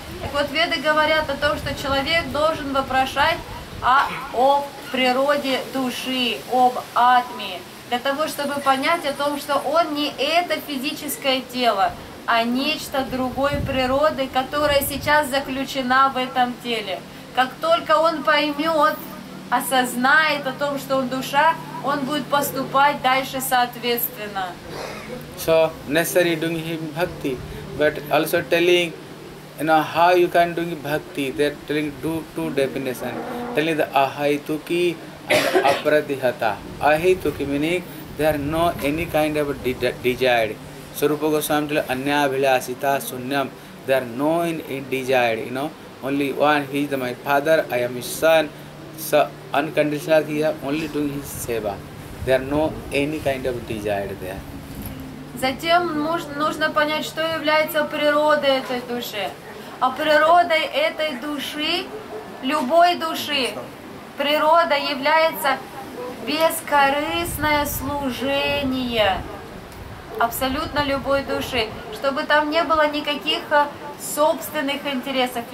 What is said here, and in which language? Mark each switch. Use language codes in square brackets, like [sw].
[ru] Так вот, веды говорят о том, что человек должен вопрошать о природе души, об атме, для того, чтобы понять о том, что он не это физическое тело, а нечто другой природы, которая сейчас заключена в этом теле. Как только он поймет, осознает о том, что он душа, он будет поступать дальше соответственно. [en] So necessary doing him bhakti, but also telling, you know, how you can do bhakti. They're telling two definition. Telling the ahaituki and apratihata. Ahaituki meaning there no any kind of desire. Swarupa Goswami tell anya abhilashita sunyam. There no any desire. You know, only one. He is my father. I am his son. So unconditional, he is only doing his seva. There are no any kind of desire there. [ru] Затем нужно понять, что является природой этой души. А природой этой души, любой души, природа является бескорыстное служение абсолютно любой души, чтобы там не было никаких собственных интересов.